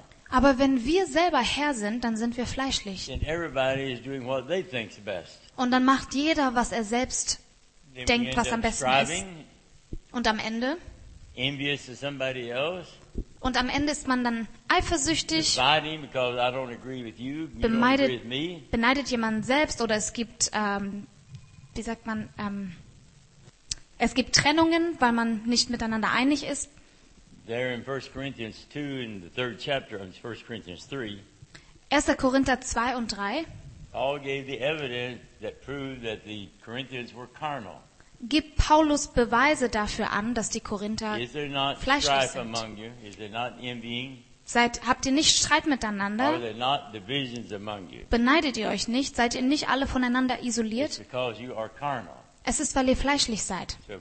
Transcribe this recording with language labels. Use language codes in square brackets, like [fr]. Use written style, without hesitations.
[de] Aber wenn wir selber Herr sind, dann sind wir fleischlich. [en] And everybody is doing what they think's best. [de] Und dann macht jeder, was er selbst denkt, was am besten ist. Und am Ende? [en] Envious of somebody else. [de] Und am Ende ist man dann eifersüchtig, beneidet jemanden selbst oder es gibt, es gibt Trennungen, weil man nicht miteinander einig ist. [en] There in 1 Corinthians 2 in the third chapter in 1 Corinthians 3. [de] 1. Korinther 2 und 3. [en] Paul gave the evidence that proved that the Corinthians were carnal. [de] Gibt Paulus Beweise dafür an, dass die Korinther fleischlich sind? [en] Is there not envying? [de] Habt ihr nicht Streit miteinander? [en] Are there not divisions among you? [de] Beneidet ihr euch nicht? Seid ihr nicht alle voneinander isoliert? [en] It's because you are carnal. [de] Es ist, weil ihr fleischlich seid.